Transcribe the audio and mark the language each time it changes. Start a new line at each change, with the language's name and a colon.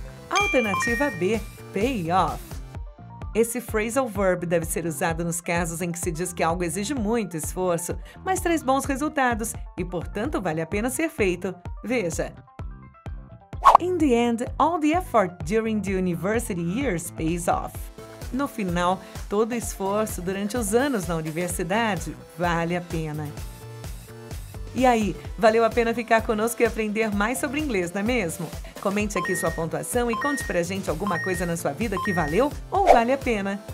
Portuguese: Alternativa B, pay off. Esse phrasal verb deve ser usado nos casos em que se diz que algo exige muito esforço, mas traz bons resultados e, portanto, vale a pena ser feito. Veja.
English: In the end, all the effort during the university years pays off.
Portuguese: No final, todo esforço durante os anos na universidade vale a pena. E aí, valeu a pena ficar conosco e aprender mais sobre inglês, não é mesmo? Comente aqui sua pontuação e conte pra gente alguma coisa na sua vida que valeu ou vale a pena.